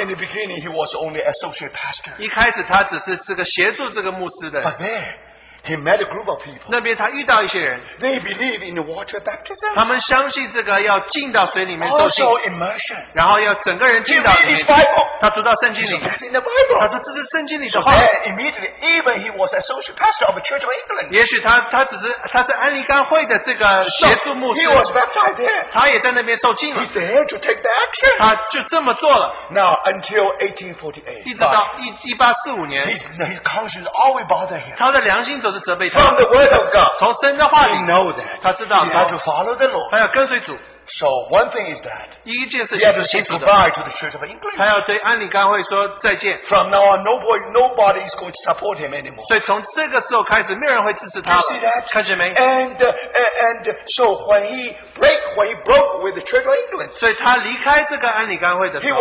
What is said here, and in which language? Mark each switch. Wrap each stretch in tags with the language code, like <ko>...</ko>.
<en>In the beginning, he was only associate pastor.</en> <zh>一开始他只是这个协助这个牧师的。</zh> <en>But there, He met a group of people.</en> <zh>那边他遇到一些人,</zh> <en>they believe in the water baptism.</en> <zh>他们相信这个要进到水里面受浸,</zh> <en>also immersion.</en> <zh>然后要整个人进到里面。他读到圣经里。He</zh> <en>read in the Bible.</en> <zh>他说这是圣经里的话。</zh> <en>So immediately, even he was associate pastor of a church of England.</en> <zh>也许他只是安利甘会的这个协助牧师。</zh> <en>He was baptized there.</en> <zh>他也在那边受浸了。</zh> <en>He dared to take the action.</en> <zh>他就这么做了。</zh> <en>Now until 1848.</en> <zh>一直到1845年。</zh> <en>His conscience always bothered him.</en> <zh>他的良心</zh> <en>From the word of God,</en> <zh>从神的话里,</zh> <en>he knows that</en> <zh>他知道,</zh> <en>he has to follow the Lord.</en> <zh>他要跟随主,</zh> <en>so one thing is that</en> <zh>一件事情,</zh> <en>he has to say goodbye to the Church of England.</en> <zh>他要对安理甘会说再见,</zh> <en>from now on, nobody is going to support him anymore.</en> <zh>所以从这个时候开始, 没有人会支持他,</zh> <en>you see that?</en> <zh>看见没?</zh> <en>And so when he broke with the Church of England,</en> <zh>所以他离开这个安理甘会的时候,</zh>